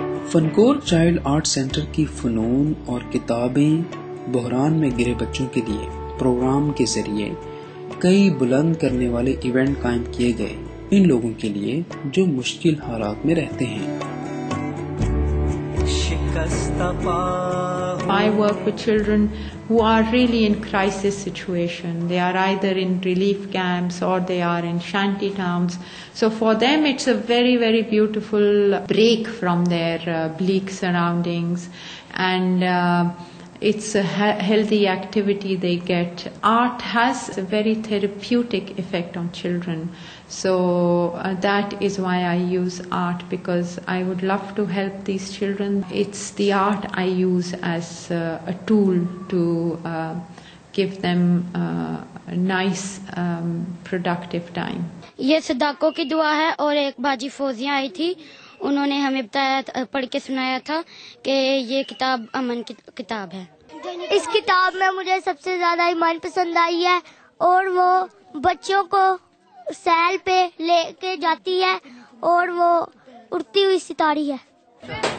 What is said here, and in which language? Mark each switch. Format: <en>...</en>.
<ur>فنکور child art centre کی فنون اور کتابیں بحران میں گرے بچوں کے لیے پروگرام کے ذریعے کئی بلند کرنے والے ایونٹ قائم کیے گئے ان لوگوں کے لیے جو مشکل حالات میں رہتے ہیں</ur> <en>I work with children who are really in crisis situation. They are either in relief camps or they are in shanty towns. So for them, it's a very, very beautiful break from their bleak surroundings. And it's a healthy activity they get. Art has a very therapeutic effect on children. So that is why I use art, because I would love to help these children. It's the art I use as a tool to give them a nice productive time.</en> <ur>Yeh Sadako ki dua hai aur ek baji Fauzia aayi thi. انہوں نے ہمیں بتایا پڑھ کے سنایا تھا کہ یہ کتاب امن کی کتاب ہے اس کتاب میں مجھے سب سے زیادہ من پسند آئی ہے اور وہ بچوں کو سیل پہ لے کے جاتی ہے اور وہ اڑتی ہوئی ستاری ہے</ur>